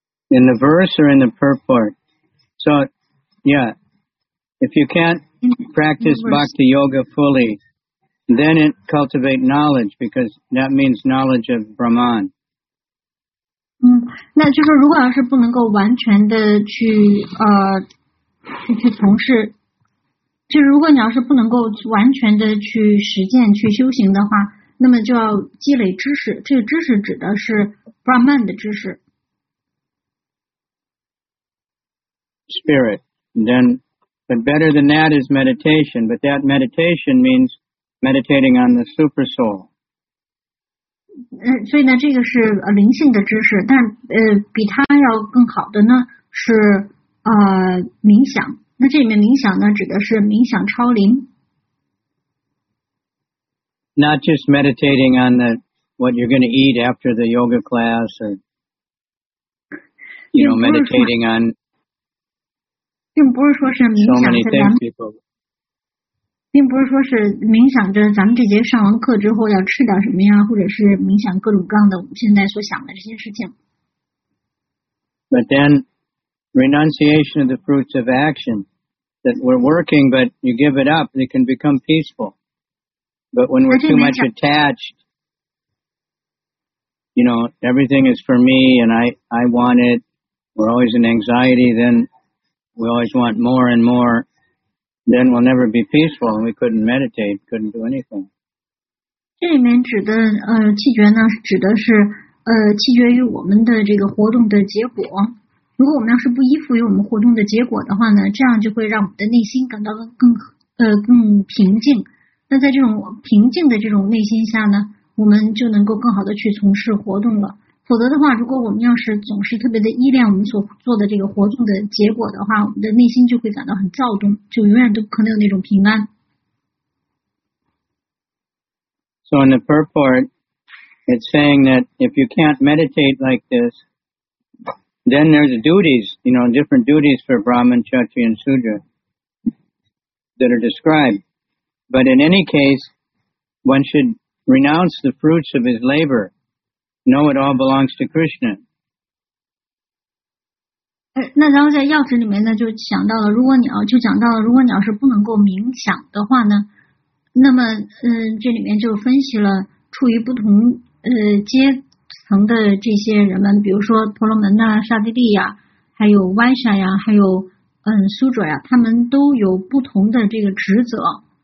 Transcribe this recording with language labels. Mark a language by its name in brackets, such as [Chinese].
[English] In the verse or in the purport? So, yeah, if you can't,practice bhakti yoga fully, then it cultivate knowledge, because that means knowledge of Brahman. [Chinese] 那就是如果要是不能够完全的去去从事，就如果你要是不能够完全的去实践去修行的话，那么就要积累知识，这个知识指的是 Brahman 的知识。 [English] Spirit, then. But better than that is meditation, but that meditation means meditating on the super soul. [Chinese] 所以呢这个是灵性的知识，但比它要更好的呢是冥想。那这里面冥想呢指的是冥想超灵。 [English] Not just meditating on the, what you're going to eat after the yoga class, or, you know, meditating on... [Chinese] 并不是说是冥想着咱们，并不是说是冥想着咱们这节上完课之后要吃点什么呀，或者是冥想各种各样的我们现在所想的这些事情。 [English] But then, renunciation of the fruits of action that we're working, but you give it up, it can become peaceful. But when we're too much attached, you know, everything is for me and I want it, We're always in anxiety, then we always want more and more. Then we'll never be peaceful and we couldn't meditate, couldn't do anything. [Chinese] 这里面指的气绝呢，指的是气绝于我们的这个活动的结果。如果我们要是不依附于我们活动的结果的话呢，这样就会让我们的内心感到更平静。那在这种平静的这种内心下呢，我们就能够更好的去从事活动了。否则的话，如果我们要是总是特别的依恋我们所做的这个活动的结果的话，我们的内心就会感到很躁动，就永远都可能有那种平安。 [English] So in the purport, it's saying that if you can't meditate like this, then there's duties, you know, different duties for Brahman, Kshatriya, and Sudra that are described. But in any case, one should renounce the fruits of his labor. No, it all belongs to Krishna. [Chinese] 那然后在要旨里面呢，就讲到了，如果你要是不能够冥想的话呢，那么这里面就分析了处于不同阶层的这些人们，比如说婆罗门呐、刹帝利呀，还有歪沙呀，还有苏者呀，他们都有不同的这个职责。